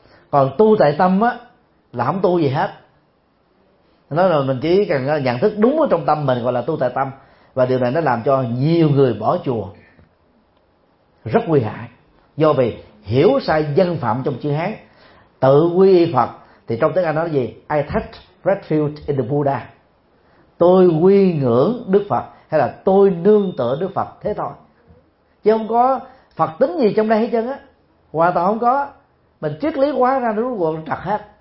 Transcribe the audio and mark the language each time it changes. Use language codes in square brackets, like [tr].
[vi] Còn tu tại tâm á là không tu gì hết. Nó là mình chỉ cần nhận thức đúng ở trong tâm mình gọi là tu tại tâm. Và điều này nó làm cho nhiều người bỏ chùa rất nguy hại, do vì hiểu sai dân phạm trong chữ Hán. Tự quy y Phật thì trong tiếng Anh nói gì? [en] I take refuge in the Buddha. [vi] Tôi quy ngưỡng Đức Phật hay là tôi nương tựa Đức Phật, thế thôi. Chứ không có Phật tính gì trong đây hết trơn á. Hoàn toàn không có. Mình triết lý quá ra nó quần trật hết.